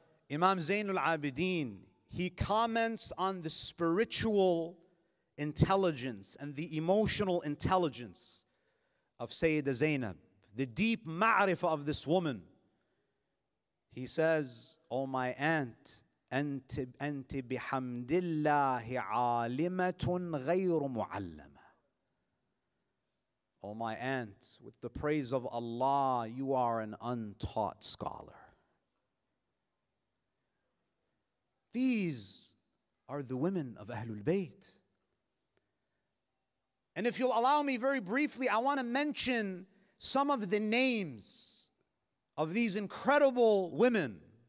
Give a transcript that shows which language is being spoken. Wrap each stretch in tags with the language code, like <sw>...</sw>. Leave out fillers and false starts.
<en>Imam Zainul Abideen, he comments on the spiritual intelligence and the emotional intelligence of Sayyida Zainab, the deep ma'rifah of this woman. He says, oh my aunt,</en> <ar>أنت بحمد الله عالمة غير معلمة.</ar> <en>Oh my aunt, with the praise of Allah, you are an untaught scholar. These are the women of Ahlul Bayt. And if you'll allow me very briefly, I want to mention some of the names of these incredible women.</en>